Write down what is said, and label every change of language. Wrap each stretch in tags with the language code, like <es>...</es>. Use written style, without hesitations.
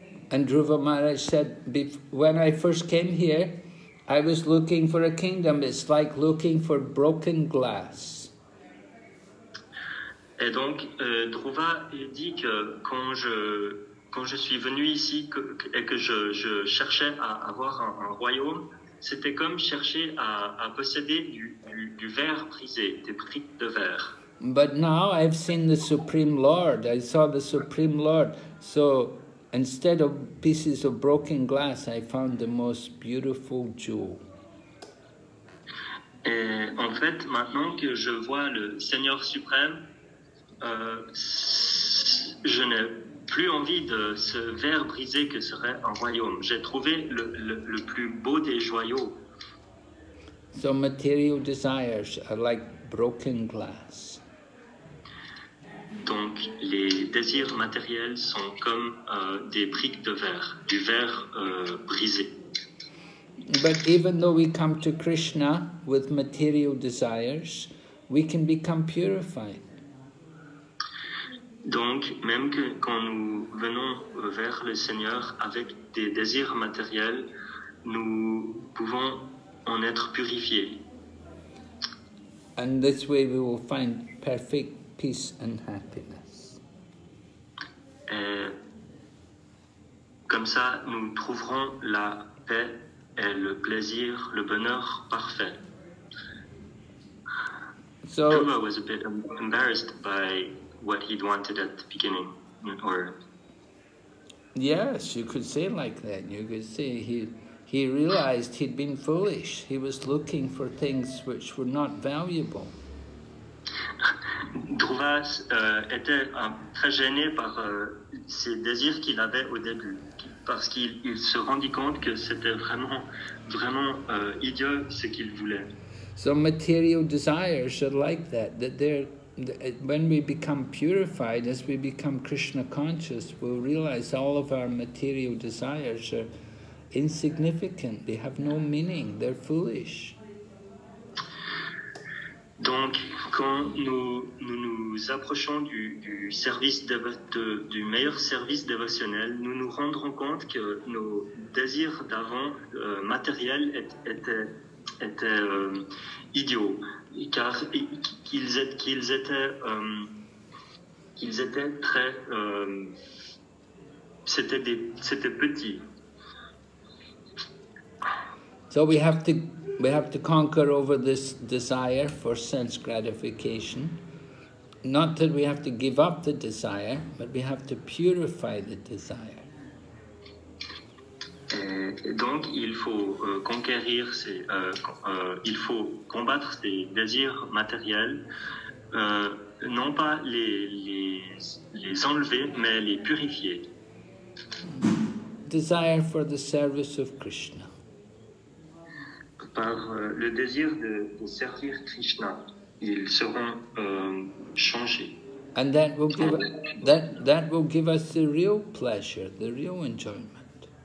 <en>And Dhruva Maharaj said, when I first came here, I was looking for a kingdom. It's like looking for broken glass.</en> <fr>Et donc Dhruva dit que quand je suis venu ici et que je cherchais à avoir un royaume, c'était comme chercher à posséder du verre brisé, des briques de verre.</fr> <en>But now I've seen the Supreme Lord. I saw the Supreme Lord. So instead of pieces of broken glass, I found the most beautiful jewel.</en> <fr>Et en fait, maintenant que je vois le Seigneur suprême, je n'ai plus envie de ce verre brisé que serait un royaume. J'ai trouvé le plus beau des joyaux.</fr> <en>So material desires are like broken glass.</en> <fr>Donc les désirs matériels sont comme des briques de verre, du verre brisé.</fr> <en>But even though we come to Krishna with material desires, we can become purified.</en> <fr>Donc, même que quand nous venons vers le Seigneur avec des désirs matériels, nous pouvons en être purifiés.</fr> <en>And this way we will find perfect peace and happiness.</en> <fr>Et comme ça, nous trouverons la paix et le plaisir, le bonheur parfait.</fr> <en>So, Dhruva was a bit embarrassed by what he'd wanted at the beginning, or yes, you could say like that. You could say he realized he'd been foolish. He was looking for things which were not valuable.</en> <fr>Dhruva était très gêné par ses désirs qu'il avait au début, parce qu'il se rendit compte que c'était vraiment idiot ce qu'il voulait.</fr> <en>So material desires are like that they're. When we become purified, as we become Krishna conscious, we'll realize all of our material desires are insignificant. They have no meaning. They're foolish.</en> <fr>Donc, quand nous approchons du service du meilleur service dévotionnel, nous nous rendrons compte que nos désirs d'avant matériels étaient idiots. Car qu'ils étaient très c'était petit.</fr> <en>So we have to conquer over this desire for sense gratification. Not that we have to give up the desire, but we have to purify the desire.</en> <fr>Donc il faut conquérir il faut combattre ces désirs matériels, non pas les enlever, mais les purifier.</fr> <en>Desire for the service of Krishna.</en> <fr>Par le désir de servir Krishna, ils seront changés.</fr> <en>And that will give that will give us the real pleasure, the real enjoyment.</en>